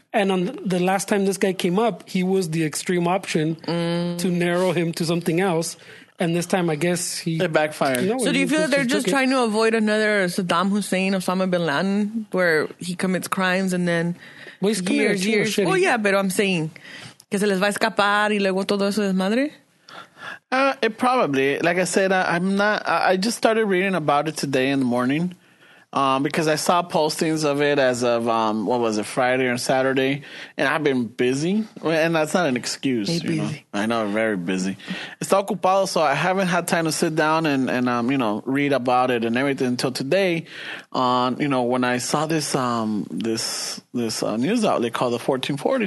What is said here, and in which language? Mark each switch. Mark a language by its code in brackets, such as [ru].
[en] And on the last time this guy came up, he was the extreme option to narrow him to something else. And this time, I guess he... It backfired. You know, so do you feel that they're just trying to avoid another Saddam Hussein, Osama bin Laden, where he commits crimes and then... Well, he's committed to years. Well, yeah, but I'm saying... [es] Que se les va a escapar y luego todo eso desmadre. [en] It probably, like I said, I just started reading about it today in the morning, because I saw postings of it as of, Friday or Saturday, and I've been busy, and that's not an excuse. You know? I know, very busy. [es] Está ocupado, [en] so I haven't had time to sit down and read about it and everything until today, when I saw this news outlet called the 1440.